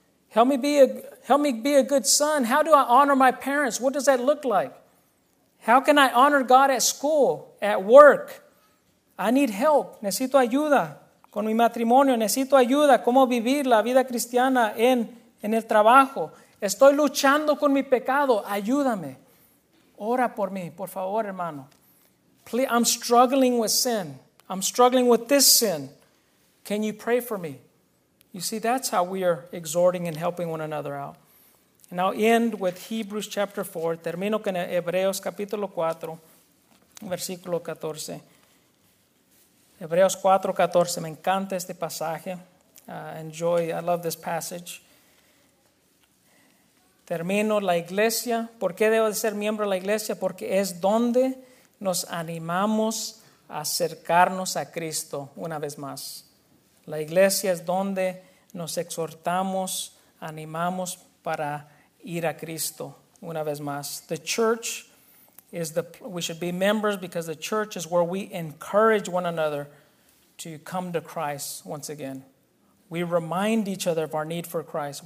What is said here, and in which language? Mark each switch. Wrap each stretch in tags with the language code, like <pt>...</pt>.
<en>Help me be a good son. How do I honor my parents? What does that look like? How can I honor God at school, at work? I need help.</en> <es>Necesito ayuda con mi matrimonio. Necesito ayuda. ¿Cómo vivir la vida cristiana en el trabajo? Estoy luchando con mi pecado. Ayúdame. Ora por mí, por favor, hermano.</es> <en>Please, I'm struggling with sin. I'm struggling with this sin. Can you pray for me? You see, that's how we are exhorting and helping one another out. And I'll end with Hebrews chapter 4.</en> <es>Termino con Hebreos capítulo 4, versículo 14. Hebreos 4, 14. Me encanta este pasaje.</es> <en>I love this passage.</en> <es>Termino la iglesia. ¿Por qué debo de ser miembro de la iglesia? Porque es donde nos animamos a acercarnos a Cristo una vez más. La iglesia es donde nos exhortamos, animamos para ir a Cristo una vez más.</es> <en>The church is the, we should be members because the church is where we encourage one another to come to Christ once again. We remind each other of our need for Christ.</en>